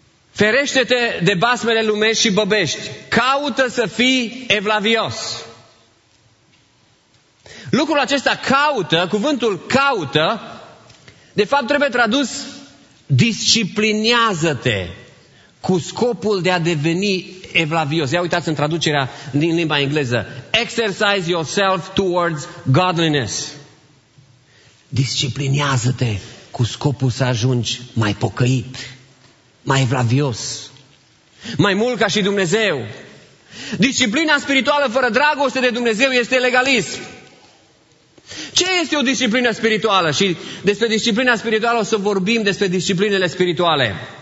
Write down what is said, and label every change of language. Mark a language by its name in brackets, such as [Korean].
[Romanian] Ferește-te de basmele lumești și băbești. Caută să fii evlavios. Lucrul acesta caută, cuvântul caută, de fapt trebuie tradus disciplinează-te cu scopul de a deveni evlavios. Ia uitați în traducerea din limba engleză. [English] Exercise yourself towards godliness. [Romanian] Disciplinează-te cu scopul să ajungi mai pocăit, mai evlavios, mai mult ca și Dumnezeu. Disciplina spirituală fără dragoste de Dumnezeu este legalism. Ce este o disciplină spirituală? Și despre disciplina spirituală o să vorbim despre disciplinele spirituale.